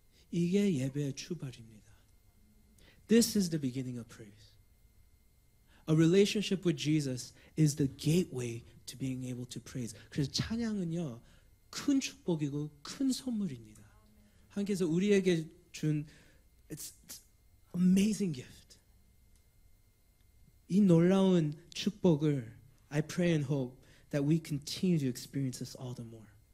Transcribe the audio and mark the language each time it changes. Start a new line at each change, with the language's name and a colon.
Korean: 이게 예배의 출발입니다.
English: This is the beginning of praise. A relationship with Jesus is the gateway to being able to praise.
Korean: 그래서 찬양은요, 큰 축복이고 큰 선물입니다. 하나님께서 우리에게 준
English: it's amazing gift.
Korean: 이 놀라운 축복을
English: I pray and hope that we continue to experience this all the more.